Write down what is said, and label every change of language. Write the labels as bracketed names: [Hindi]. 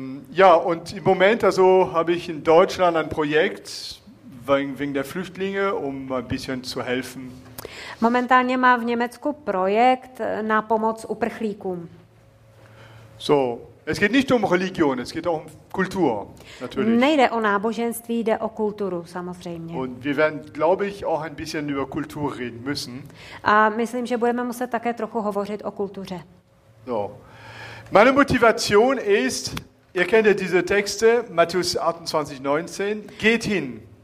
[German] Ja, und im Moment also habe ich in Deutschland ein Projekt wegen der Flüchtlinge, um ein bisschen zu helfen. [Czech] Momentálně má v Německu projekt na pomoc uprchlíkům. [German] So, es geht nicht um Religion, es geht auch um Kultur, natürlich. [Czech] Nejde o náboženství, jde o kulturu, samozřejmě. [German] Und wir werden, glaube ich, auch ein bisschen über Kultur reden müssen. [Czech] A myslím, že budeme muset také trochu hovořit o kultuře. [German] So. Meine Motivation ist, ihr kennt ja diese Texte, Matthäus 28:19, geht hin.